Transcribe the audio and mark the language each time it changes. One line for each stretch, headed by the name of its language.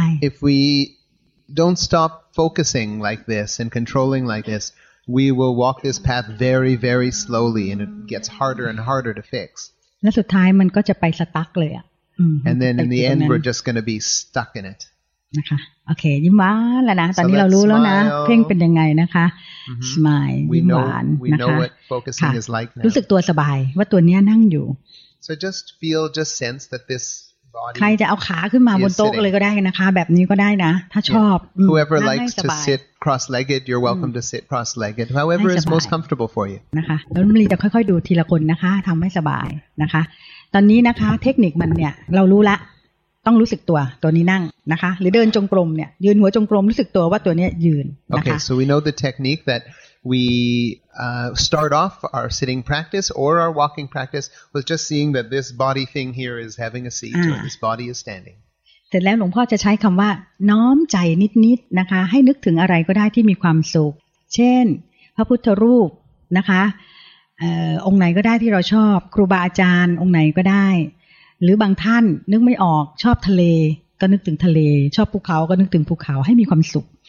English: If we don't stop focusing like this and controlling like this we will walk this path very very slowly and it gets harder and harder to fix
Thai: และสุดท้ายมันก็จะไปสตั๊กเลยอะ
English: And then in the end we're just going to be stuck in it
Thai: นะคะโอเคยิ้มหวานแล้วนะตอนนี้เรารู้แล้วนะเพ่งเป็นยังไงนะคะ smile ยิ้มหวานนะคะ รู้สึกตัวสบายว่าตัวเนี้ยนั่งอยู่
English: so just feel just sense that this body
Thai: ใครจะเอาขาขึ้นมาบนโต๊ะเลยก็ได้นะคะแบบนี้ก็ได้นะถ้าชอบ
English: whoever likes to sit cross-legged you're welcome to sit cross-legged however is most comfortable for you
Thai: นะคะแล้วมันจะค่อยๆดูทีละคนนะคะทำให้สบายนะคะตอนนี้นะคะเทคนิคมันเนี่ยเรารู้ละต้องรู้สึกตัวตัวนี้นั่งนะคะหรือเดินจงกรมเนี่ยยืนหัวจงกรมรู้สึกตัวว่าตัวนี้ยืนนะคะ
English: Okay so we know the technique that we start off our sitting practice or our walking practice with just seeing that this body thing here is having a seat or this body is standing
Thai: เสร็จแล้วหลวงพ่อจะใช้คำว่าน้อมใจนิดๆ นะคะให้นึกถึงอะไรก็ได้ที่มีความสุขเช่นพระพุทธรูปนะคะองค์ไหนก็ได้ที่เราชอบครูบาอาจารย์องค์ไหนก็ได้หรือบางท่านนึกไม่ออกชอบทะเลก็นึกถึงทะเลชอบภูเขาก็นึกถึงภูเขาให้มีความสุข